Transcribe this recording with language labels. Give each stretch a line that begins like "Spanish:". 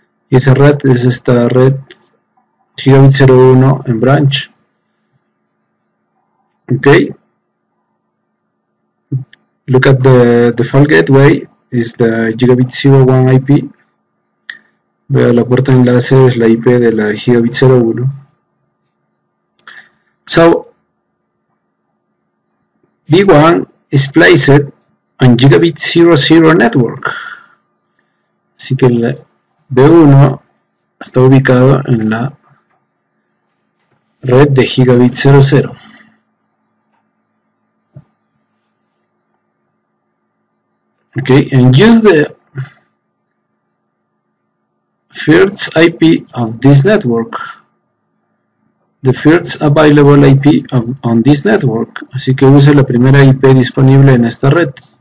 Spanish: Y esa red es esta red Gigabit 01 en branch.
English: Okay. Look at the default gateway is the Gigabit 01 IP.
Spanish: Veo la puerta de enlace es la IP de la Gigabit 01.
English: So V1 is placed on Gigabit 00 network.
Spanish: Así que el V1 está ubicado en la red de Gigabit 00.
English: Okay, and use the first IP of this network. The first available IP on this network.
Spanish: Así que use la primera IP disponible en esta red.